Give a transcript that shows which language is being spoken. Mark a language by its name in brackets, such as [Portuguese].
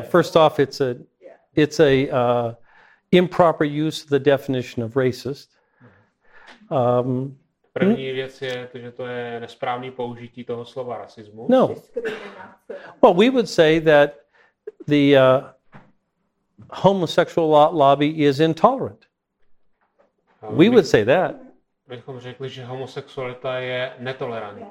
[English] First off, it's a improper use of the definition of racist. [Czech] První věc je, že to je nesprávné použití toho slova rasismus. [English] No. Well, we would say that the homosexual lobby is intolerant. We would say that. [Czech] Bychom řekli, že homosexualita je netolerantní.